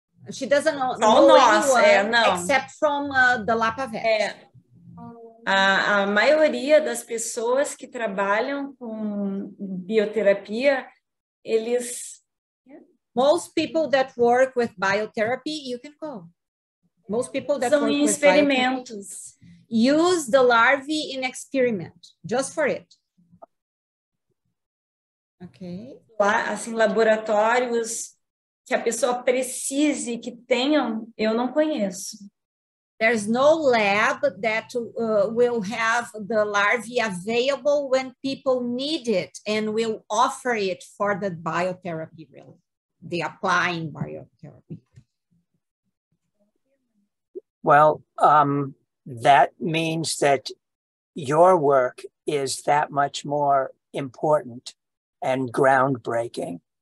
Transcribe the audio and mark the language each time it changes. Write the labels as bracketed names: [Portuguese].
[English] She doesn't know anyone except from the Lapa Vet. [Portuguese] A maioria das pessoas que trabalham com bioterapia, eles... [English] Most people that work with biotherapy, you can go. Most people that [Portuguese] são em experimentos. [English] Use the larvae in experiment, just for it. Okay. [Portuguese] Lá, assim, laboratórios que a pessoa precise, que tenham, eu não conheço. [English] There's no lab that will have the larvae available when people need it and will offer it for the biotherapy, really, the applying biotherapy. Well, that means that your work is that much more important and groundbreaking.